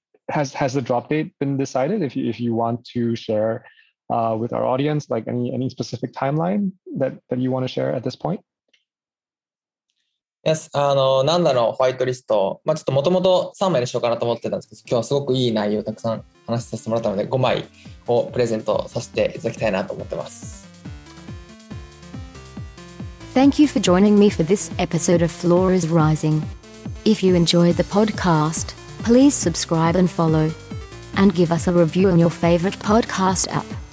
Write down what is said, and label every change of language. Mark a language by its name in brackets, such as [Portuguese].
[English] Has the drop date been decided? If you want to share with our audience, like any specific timeline that you want to share at this point? [Japanese] Yes, なんだろう、ホワイトリスト。まあ、ちょっともともと3枚にしようかなと思ってたんですけど、今日はすごくいい内容をたくさん話させてもらったので、5枚をプレゼントさせていただきたいなと思ってます。 [English] Thank you for joining me for this episode of Floor is Rising. If you enjoyed the podcast, please subscribe and follow. And give us a review on your favorite podcast app.